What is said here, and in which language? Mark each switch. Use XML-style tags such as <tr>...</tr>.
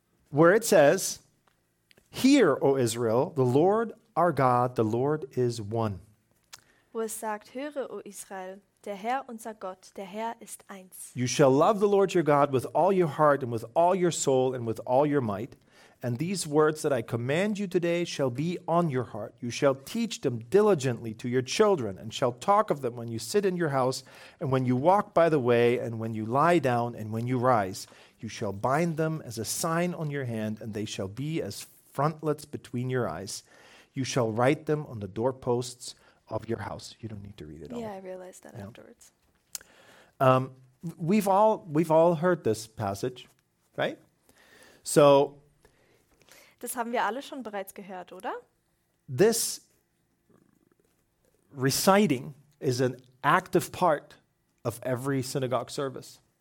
<en>Where it says, "Hear, O Israel, the Lord our God, the Lord is one."</en> <de>Wo es sagt, höre, O Israel, der Herr unser Gott, der Herr ist eins.</de> <en>"You shall love the Lord your God with all your heart and with all your soul and with all your might. And these words that I command you today shall be on your heart. You shall teach them diligently to your children and shall talk of them when you sit in your house and when you walk by the way and when you lie down and when you rise. You shall bind them as a sign on your hand and they shall be as frontlets between your eyes. You shall write them on the doorposts of your house." You don't need to read it all. Yeah, I realized that afterwards. We've all heard this passage, right? So,</en> <de>das haben wir alle schon bereits gehört, oder?</de> <en>This reciting is an active part of every synagogue service.</en>